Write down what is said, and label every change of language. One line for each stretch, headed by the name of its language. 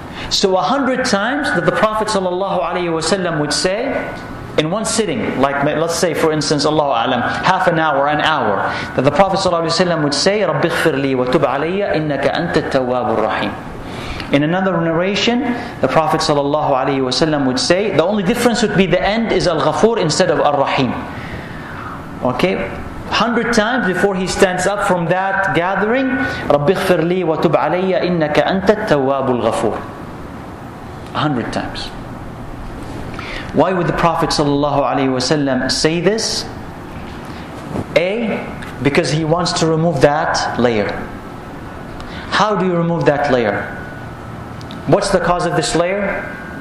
English: So 100 times that the Prophet sallallahu alayhi wa sallam would say in one sitting, like let's say for instance, Allahu A'lam, half an hour, an hour, that the Prophet ﷺ would say,
Arabic: رَبِّ اغْفِرْ لِي وَتُبْ عَلَيَّ إِنَّكَ أَنْتَ التَّوَّابُ الرَّحِيمُ.
English: In another narration, the Prophet ﷺ would say, the only difference would be the end is al-ghafoor instead of al-rahim. Okay? 100 times before he stands up from that gathering,
Arabic: رَبِّ اغْفِرْ لِي وَتُبْ عَلَيَّ إِنَّكَ أَنْتَ التَّوَّابُ الْغَفُورُ.
English: 100 times. Why would the Prophet ﷺ say this? A, because he wants to remove that layer. How do you remove that layer? What's the cause of this layer?